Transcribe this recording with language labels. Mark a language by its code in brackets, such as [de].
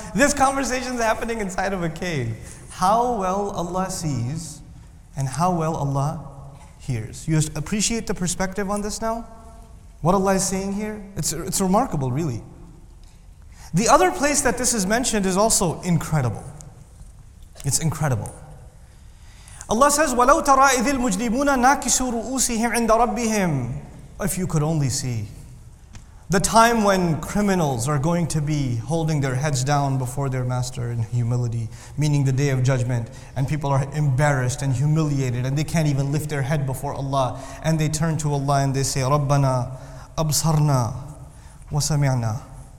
[en] This conversation's happening inside of a cave. How well Allah sees and how well Allah hears. You appreciate the perspective on this now? What Allah is saying here? It's remarkable, really. The other place that this is mentioned is also incredible. It's incredible. Allah says, [ar] وَلَوْ تَرَىٰ إِذِ الْمُجْرِمُونَ نَاكِسُوا رُؤُوسِهِمْ عِنْدَ رَبِّهِمْ. [en] If you could only see the time when criminals are going to be holding their heads down before their master in humility, meaning the day of judgment, and people are embarrassed and humiliated, and they can't even lift their head before Allah, and they turn to Allah and they say, [ar] رَبَّنَا أَبْصَرْنَا وَسَمِعْنَا.